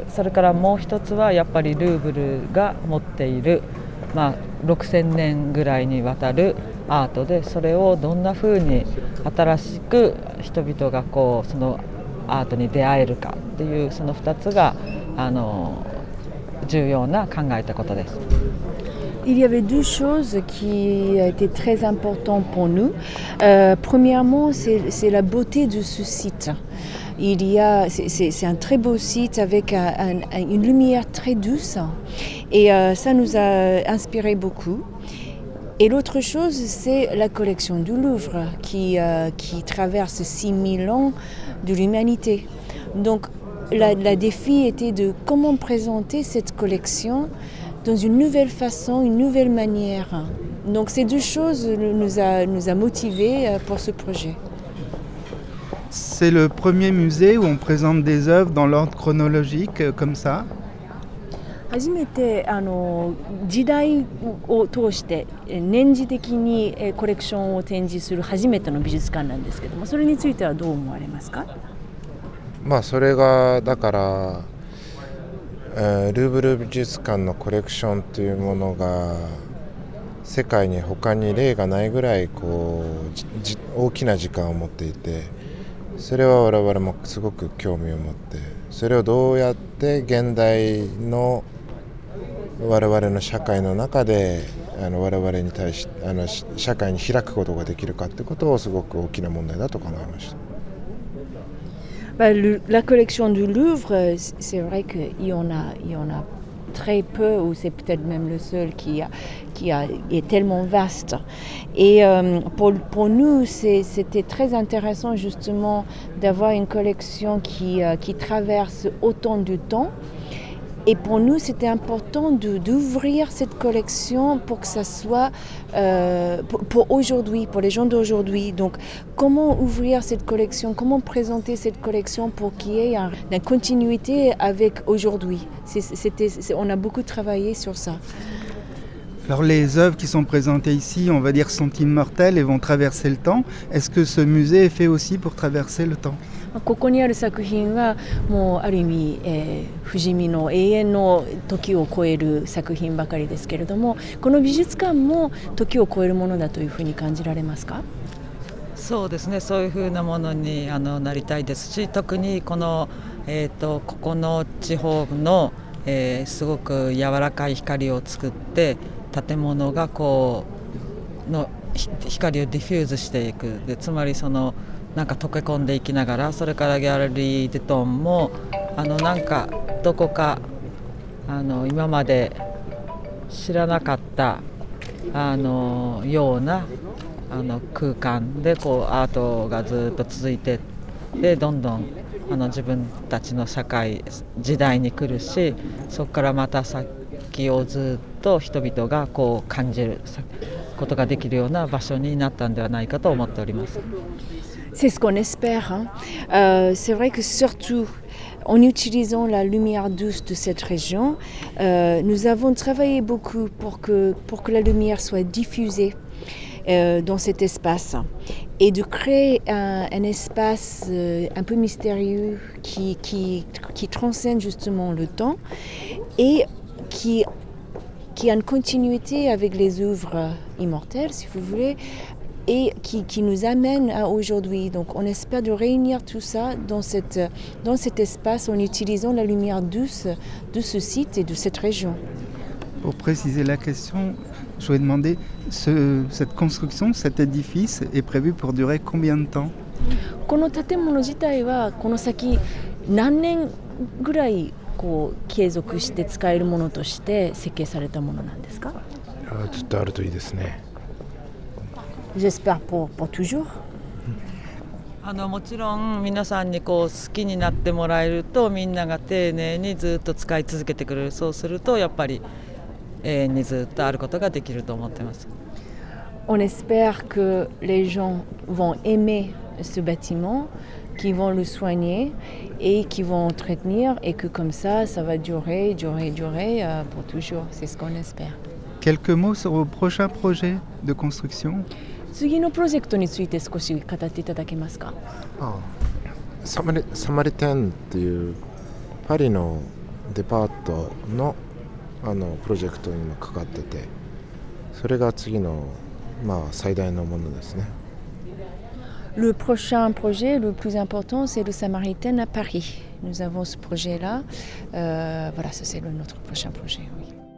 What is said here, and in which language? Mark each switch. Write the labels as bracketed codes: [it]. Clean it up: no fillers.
[ja] それからもう一つはやっぱりルーブルが持っている、まあ、6000年ぐらいにわたるアートで、それをどんなふうに新しく人々がこうそのアートに出会えるかっていう、その二つがあの重要な考えたことです。 [fr] Il y avait deux choses qui étaient très importantes pour nous. Premièrement, c'est la beauté de ce site. C'est un très beau site avec une lumière très douce et ça nous a inspiré beaucoup. Et l'autre chose, c'est la collection du Louvre qui traverse 6000 ans de l'humanité. Donc, le défi était de comment présenter cette collection dans une nouvelle façon, une nouvelle manière. Donc ces deux choses nous a motivés pour ce projet. C'est le premier musée où on présente des œuvres dans l'ordre chronologique comme ça. [ja] 初めてあの時代を通して年次的にコレクションを展示する初めての美術館なんですけども、それについてはどう思われますか？まあそれがだから。ルーブル美術館のコレクションというものが世界に他に例がないぐらいこう大きな時間を持っていて、それは我々もすごく興味を持って、それをどうやって現代の我々の社会の中で我々に対し社会に開くことができるかということをすごく大きな問題だと考えました。 [fr] Bah, la collection du Louvre, c'est vrai qu'il y en a très peu, ou c'est peut-être même le seul qui est tellement vaste. Et pour nous, c'était très intéressant justement d'avoir une collection qui traverse autant de temps. Et pour nous, c'était important d'ouvrir cette collection pour que ça soit pour aujourd'hui, pour les gens d'aujourd'hui. Donc, comment ouvrir cette collection, comment présenter cette collection pour qu'il y ait une continuité avec aujourd'hui. On a beaucoup travaillé sur ça. Alors, les œuvres qui sont présentées ici, on va dire, sont immortelles et vont traverser le temps. Est-ce que ce musée est fait aussi pour traverser le temps ? [ja] ここにある作品はもうある意味、不死身の永遠の時を超える作品ばかりですけれども、この美術館も時を超えるものだというふうに感じられますか？そうですね、そういうふうなものにあのなりたいですし、特にこの、ここの地方の、すごく柔らかい光を作って、建物がこうの光をディフューズしていく、でつまりそのなんか溶け込んでいきながら、それからギャラリーデトンもあのなんかどこかあの今まで知らなかったあのようなあの空間でこうアートがずっと続いて、でどんどんあの自分たちの社会時代に来るし、そこからまた先をずっと人々がこう感じることができるような場所になったんではないかと思っております。 [fr] C'est ce qu'on espère. C'est vrai que surtout en utilisant la lumière douce de cette région, nous avons travaillé beaucoup pour que la lumière soit diffusée dans cet espace et de créer un espace un peu mystérieux qui transcende justement le temps et qui qui a une continuité avec les œuvres immortelles, si vous voulez, et qui nous amène à aujourd'hui. Donc on espère de réunir tout ça dans cet espace en utilisant la lumière douce de ce site et de cette région. Pour préciser la question, je voulais demander, cette construction, cet édifice est prévu pour durer combien de temps ? [ja] この建物自体はこの先何年ぐらいこう継続して使えるものとして設計されたものなんですか？ずっとあるといいですね。 [fr] J'espère pour toujours。 [ja] もちろん皆さんにこう好きになってもらえるとみんなが丁寧にずっと使い続けてくれる。そうするとやっぱり永遠にずっとあることができると思ってます。 [fr] On espère que les gens vont aimer ce bâtiment, qui vont le soigner et qui vont entretenir et que comme ça, ça va durer, durer, durer pour toujours. C'est ce qu'on espère. Quelques mots sur vos prochains projets de construction. [ja] 次のプロジェクトについて少し語っていただけますか？サマリテンというパリのデパートのプロジェクトにもかかってて、それが次の最大のものですね。 [fr] Le prochain projet, le plus important, c'est le Samaritain à Paris. Nous avons ce projet-là. Voilà, ça c'est notre prochain projet, oui.